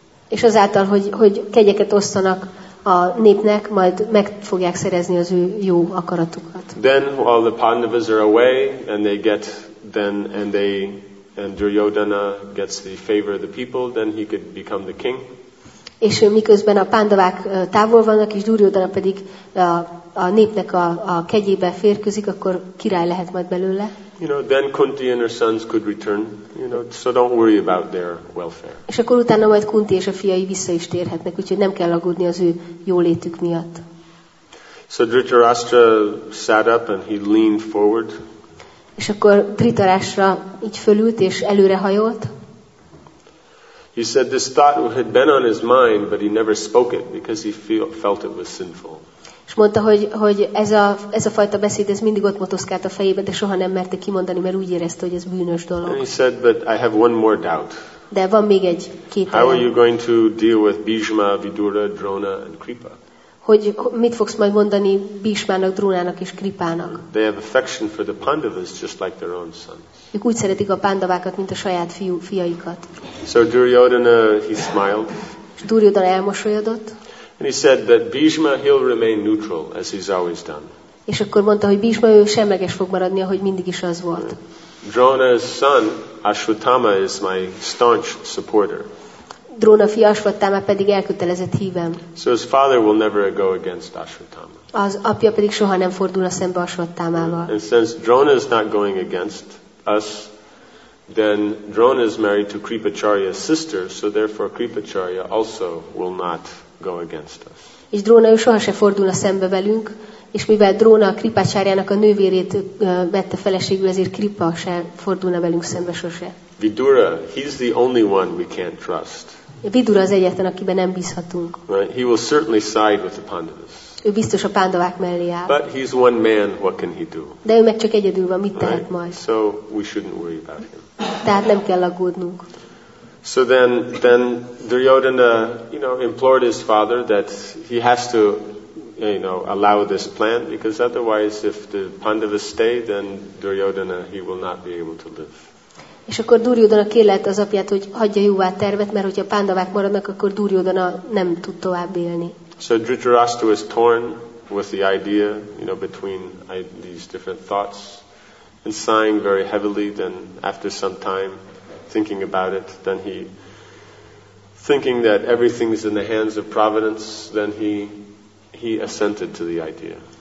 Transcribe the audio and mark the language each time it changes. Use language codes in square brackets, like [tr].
[hu] És azáltal, hogy kegyeket osztanak a népnek, majd meg fogják szerezni az ő jó akaratukat. [en] Then all the Pandavas are away and they get then and they and Duryodhana gets the favor of the people, then he could become the king. [hu] És miközben a Pandavák távol vannak, és Duryodhana pedig a népnek a kegyébe férkőzik, akkor király lehet majd belőle. [en] You know, then Kunti and her sons could return. You know, so don't worry about their welfare. [hu] És akkor utána majd Kunti és a fiai vissza is térhetnek, úgyhogy nem kell aggódni az ő jólétük miatt. [en] So Dhritarashtra sat up and he leaned forward. [hu] És akkor Dhritarashtra így fölült és előre hajolt. [en] He said this thought had been on his mind, but he never spoke it because he felt it was sinful. [hu] És mondta, hogy ez a fajta beszéd, ez mindig ott motoszkált a fejében, de soha nem merte kimondani, mert úgy érezte, hogy ez bűnös dolog. [en] And he said, but I have one more doubt. [hu] De van még egy kétel. [en] How are you going to deal with Bhishma, Vidura, Drona and Kripa? [hu] Hogy mit fogsz majd mondani Bhishmának, Drónának és Kripának? [en] They have affection for the Pandavas just like their own sons. [hu] Ők úgy szeretik a Pandavákat, mint a saját fiaikat. [en] So Duryodhana, he smiled. [hu] És Duryodhana elmosolyodott. [en] And he said that Bhishma, he'll remain neutral as he's always done. [hu] És akkor mondta, hogy Bhishma ő semleges fog maradni, ahogy mindig is az volt. [en] Drona's son, Ashwatthama, is my staunch supporter. [hu] Drona fia Ashwatthama pedig elkötelezett hívem. [en] So his father will never go against Ashwatthama. [hu] Az apja pedig soha nem fordulna szembe Ashwatthamával. [en] And since Drona is not going against us, then Drona is married to Kripacharya's sister, so therefore Kripacharya also will not go against us. [hu] És Dróna ő sohasem fordul a szembe velünk, és mivel Dróna a Kripácsárjának a nővérét vette feleségül, ezért Kripa se fordulna velünk szembe sose. [en] Vidura, he's the only one we can't trust. [hu] Vidura az egyetlen, akiben nem bízhatunk. [en] Right? He will certainly side with the Pandavas. [hu] Ő biztos a Pándavák mellé áll. [en] But he's one man, what can he do? [hu] De ő meg csak egyedül van, mit [en] right? [hu] tehet majd? [en] So we shouldn't worry about him. [hu] Tehát nem kell aggódnunk. [en] So then Duryodhana, you know, implored his father that he has to, you know, allow this plan, because otherwise if the Pandavas stay, then Duryodhana, he will not be able to live. [hu] És akkor Duryodhana kérlelte az apját, hogy hagyja jóvá tervet, mert hogyha a Pándavák maradnak, akkor Duryodhana nem tud tovább élni. [en] So Dhritarashtra was torn with the idea, you know, between these different thoughts, and sighing very heavily, then after some time thinking about it, then he, thinking that everything is in the hands of providence, then he assented to the idea.